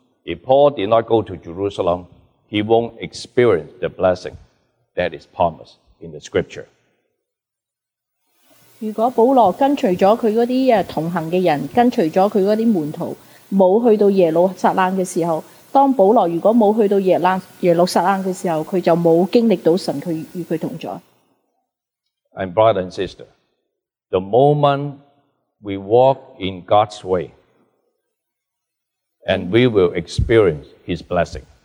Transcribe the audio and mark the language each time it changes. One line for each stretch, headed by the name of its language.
English: If Paul did not go to Jerusalem, he won't experience the blessing that is promised in the Scripture.
Chinese: 如果保罗跟随了他那些同行的人，跟随了他那些门徒，没有去到耶路撒冷的时候，当保罗如果没有去到耶路撒冷的时候，他就没有经历到神与他同在。
English: And brother and sister, the moment we walk in God's way, and we will experience His blessing.